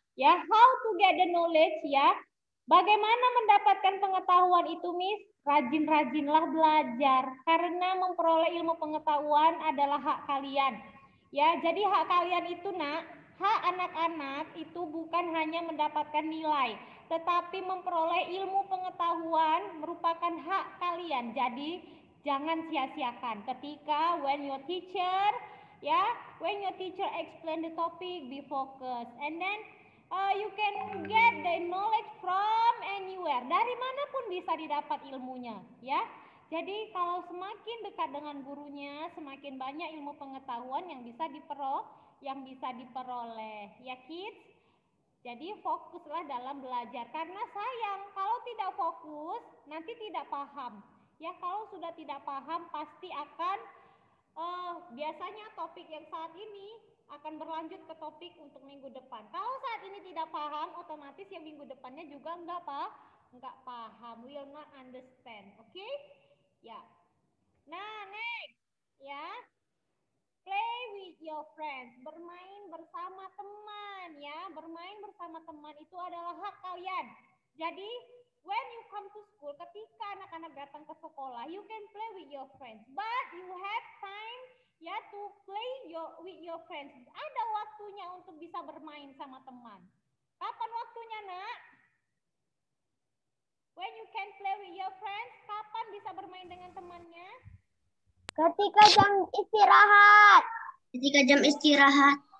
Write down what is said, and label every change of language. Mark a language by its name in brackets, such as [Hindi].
[English] Ya, yeah, how to get the knowledge, ya? Yeah. [Indonesian] Bagaimana mendapatkan pengetahuan itu, Miss? Rajin-rajinlah belajar, karena memperoleh ilmu pengetahuan adalah hak kalian. Ya, yeah, jadi hak kalian itu, nak. Hak anak-anak itu bukan hanya mendapatkan nilai, tetapi memperoleh ilmu pengetahuan merupakan hak kalian. Jadi jangan sia-siakan ketika [English] when your teacher yeah, when your teacher explain the topic, be focused. And then you can get the knowledge from anywhere. [Indonesian] Dari manapun bisa didapat ilmunya, ya. Yeah? Jadi kalau semakin dekat dengan gurunya, semakin banyak ilmu pengetahuan yang bisa diperoleh, ya kids. Jadi fokuslah dalam belajar, karena sayang kalau tidak fokus nanti tidak paham. Ya kalau sudah tidak paham pasti akan biasanya topik yang saat ini akan berlanjut ke topik untuk minggu depan. Kalau saat ini tidak paham, otomatis yang minggu depannya juga enggak paham, [English] will not understand, [Indonesian] oke? [English] Ya. Nah, next. Ya. Play with your friends. [Indonesian] Bermain bersama teman, ya. Bermain bersama teman itu adalah hak kalian. [English] Jadi, when you come to school, [Indonesian] ketika anak-anak datang ke sekolah, [English] you can play with your friends. But you have time, ya, to play with your friends. [Indonesian] Ada waktunya untuk bisa bermain sama teman. Kapan waktunya, Nak? [English] When you can play with your friends, [Indonesian] kapan bisa bermain dengan temannya? Ketika jam istirahat. Ketika jam istirahat.